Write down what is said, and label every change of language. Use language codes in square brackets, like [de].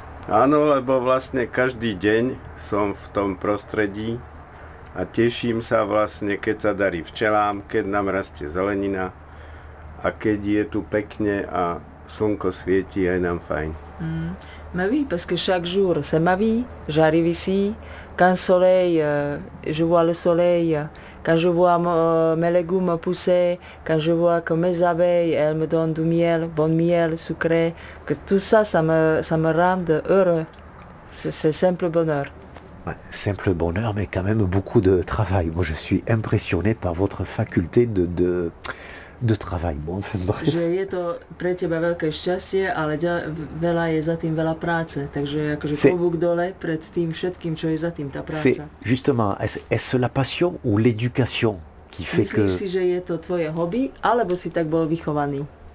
[sk] Áno, lebo vlastne každý deň som v tom prostredí a teším sa vlastne, keď sa darí včelám, keď nám rastie zelenina a keď je tu pekne a slnko svieti, aj nám fajn. [fr] Mais oui, parce que chaque jour, c'est ma vie. J'arrive ici, quand soleil, je vois le soleil, quand je vois mes légumes pousser, quand je vois que mes abeilles, elles me donnent du miel, bon miel, sucré, que tout ça, ça me rend heureux. C'est simple bonheur. Ouais, simple bonheur, mais quand même beaucoup de travail. Moi, je suis impressionné par votre faculté de travail. Bon, enfin, bref. [sk] Že je to pre teba veľké šťastie, ale veľa je za tým veľa práce. Takže akože klobúk dole pred tým všetkým, čo je za tým tá práca. [fr] C'est justement, est-ce la passion ou l'éducation qui fait [sk] Myslíš [fr] que... [sk] si, že je to tvoje hobby, alebo si tak bol vychovaný?